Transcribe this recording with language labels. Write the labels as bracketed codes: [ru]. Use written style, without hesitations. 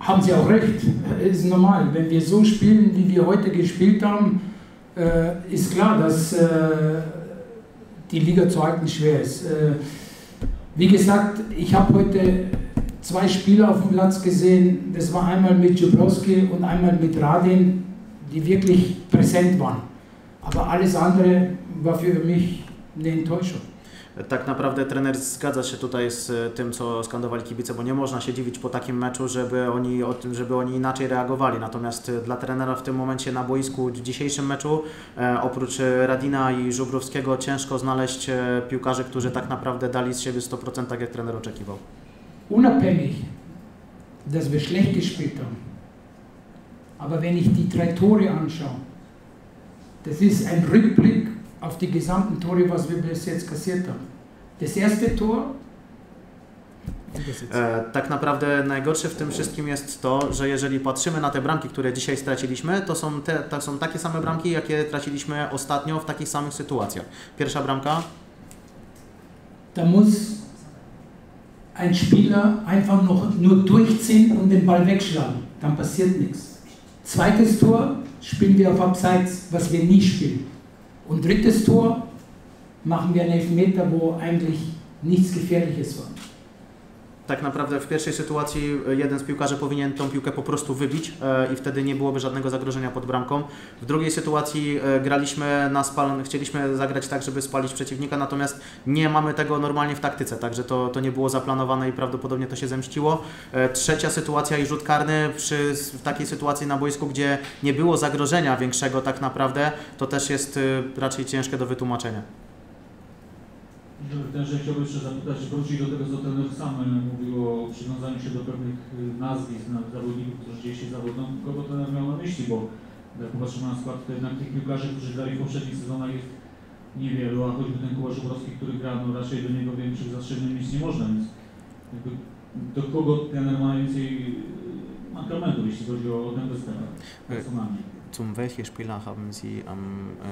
[de] Haben Sie auch recht, ist normal, wenn wir so spielen, wie wir heute gespielt haben, ist klar, dass die Liga zu halten schwer ist. Wie gesagt, ich habe heute zwei Spieler auf dem Platz gesehen, das war einmal mit Jablowski und einmal mit Radin, die wirklich präsent waren. Aber alles andere war für mich eine Enttäuschung. [pl] Tak naprawdę trener zgadza się tutaj z tym, co skandowali kibice, bo nie można się dziwić po takim meczu, żeby oni inaczej reagowali. Natomiast dla trenera w tym momencie na boisku, w dzisiejszym meczu, oprócz Radina i Żubrowskiego, ciężko znaleźć piłkarzy, którzy tak naprawdę dali z siebie 100%, tak jak trener oczekiwał. [de] Unabhängig, dass wir schlecht gespielt haben, aber wenn ich die drei Tore anschaue, das ist ein Rückblick auf die gesamten Tore, was wir bis jetzt kassiert haben. Das erste Tor. [pl] Tak naprawdę najgorsze w tym wszystkim jest to, że jeżeli patrzymy na te bramki, które dzisiaj straciliśmy, to są takie same bramki, jakie traciliśmy ostatnio w takich samych sytuacjach. Pierwsza bramka. [de] Da muss ein Spieler einfach noch nur durchziehen und den Ball wegschlagen. Dann passiert nichts. Zweites Tor spielen wir auf Abseits, was wir nie spielen. Und drittes Tor machen wir einen Elfmeter, wo eigentlich nichts Gefährliches war. [pl] Tak naprawdę w pierwszej sytuacji jeden z piłkarzy powinien tą piłkę po prostu wybić i wtedy nie byłoby żadnego zagrożenia pod bramką. W drugiej sytuacji graliśmy na spalone, chcieliśmy zagrać tak, żeby spalić przeciwnika, natomiast nie mamy tego normalnie w taktyce, także to nie było zaplanowane i prawdopodobnie to się zemściło. Trzecia sytuacja i rzut karny w takiej sytuacji na boisku, gdzie nie było zagrożenia większego tak naprawdę, to też jest raczej ciężkie do wytłumaczenia. Także chciałbym jeszcze zapytać, wrócić do tego, co trener sam mówił o przywiązaniu się do pewnych nazwisk na zawodników, którzy gdzieś się zawodzą, kogo trener miał na myśli, bo jak popatrzymy na skład, to jednak tych piłkarzy, którzy grali w poprzednich sezonach jest niewielu, a choćby ten Kuba Żubrowski, który gra, no raczej do niego większych zastrzeżeń mieć nie można, więc jakby do kogo trener ma najwięcej mankamentów, jeśli chodzi o ten występ personalnie. [de] Zum welche Spieler haben Sie am...